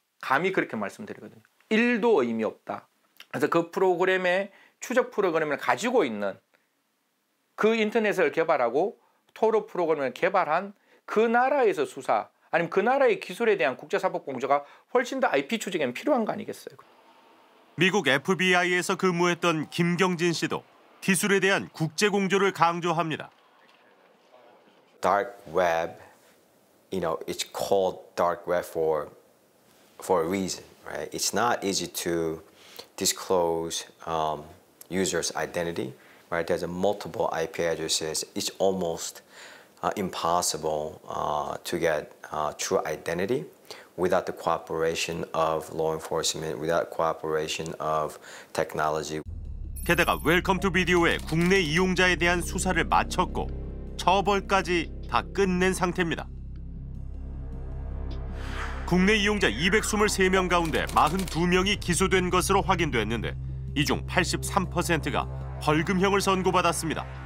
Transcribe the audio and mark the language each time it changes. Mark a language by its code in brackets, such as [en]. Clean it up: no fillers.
[ko] 감히 그렇게 말씀드리거든요. 1도 의미 없다. 그래서 그 프로그램의 추적 프로그램을 가지고 있는 그 인터넷을 개발하고 토로 프로그램을 개발한 그 나라에서 수사 아니면 그 나라의 기술에 대한 국제사법 공조가 훨씬 더 IP 추적에는 필요한 거 아니겠어요. 미국 FBI에서 근무했던 김경진 씨도 기술에 대한 국제 공조를 강조합니다. [en] Dark web, you know, it's called dark web for a reason, right? It's not easy to disclose users' identity. Right, there's a multiple IP addresses. It's almost impossible to get true identity without the cooperation of law enforcement, without cooperation of technology. [ko] 게다가 웰컴 투 비디오의 국내 이용자에 대한 수사를 마쳤고 처벌까지 다 끝낸 상태입니다. 국내 이용자 223명 가운데 42명이 기소된 것으로 확인됐는데 이 중 83%가 벌금형을 선고받았습니다.